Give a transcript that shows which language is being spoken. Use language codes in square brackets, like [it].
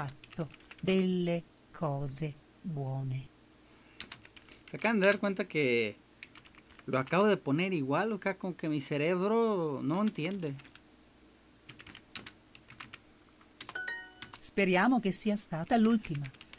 [it] Credo che lei abbia fatto delle cose buone. [es] Se acaban de dar cuenta que lo acabo de poner igual acá, con que mi cerebro no entiende. [it] Speriamo che sia stata l'ultima.